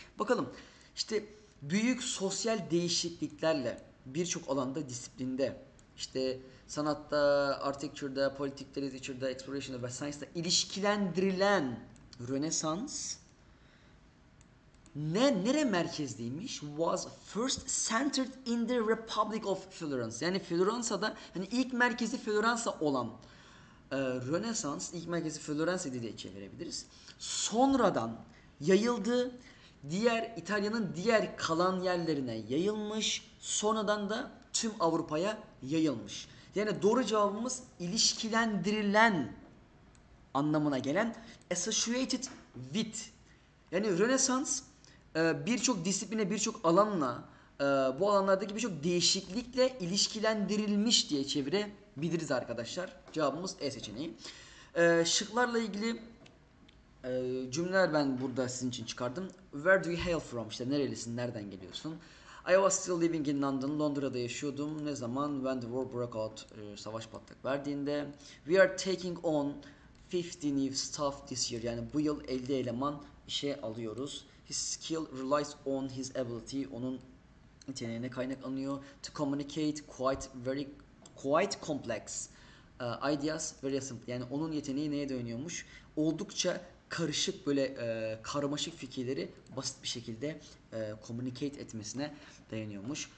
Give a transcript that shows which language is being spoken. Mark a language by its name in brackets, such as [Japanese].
[Turkish] Bakalım işte büyük sosyal değişikliklerle birçok alanda disiplinde işte sanatta, architecture'da, politikte, literature'da, exploration'da ve science'da ilişkilendirilen Rönesans nere merkezliymiş? [English] Was first centered in the Republic of Florence. [Turkish] Yani Floransa'da hani ilk merkezi Floransa olan Rönesans ilk merkezi Floransa diye çevirebiliriz. Sonradan yayıldı. Diğer İtalya'nın diğer kalan yerlerine yayılmış. Sonradan da tüm Avrupa'ya yayılmış. Yani doğru cevabımız ilişkilendirilen anlamına gelen [English] associated with. [Turkish] Yani Rönesans birçok disipline, birçok alanla, bu alanlardaki birçok değişiklikle ilişkilendirilmiş diye çevirebiliriz arkadaşlar. Cevabımız E seçeneği. Şıklarla ilgili Cümleler ben burada sizin için çıkardım. [English] Where do you hail from? [Turkish] İşte nerelisin, nereden geliyorsun? [English] I was still living in London. [Turkish] Londra'da yaşıyordum. Ne zaman? [English] When the war broke out. [Turkish] Savaş patlak verdiğinde. [English] We are taking on 50 new staff this year. [Turkish] Yani bu yıl 50 eleman işe alıyoruz. [English] His skill relies on his ability. [Turkish] Onun yeteneğine kaynak alınıyor. [English] To communicate quite complex ideas. Very simple. [Turkish] Yani onun yeteneği neye dönüyormuş? Oldukça karışık, böyle karmaşık fikirleri basit bir şekilde communicate etmesine dayanıyormuş.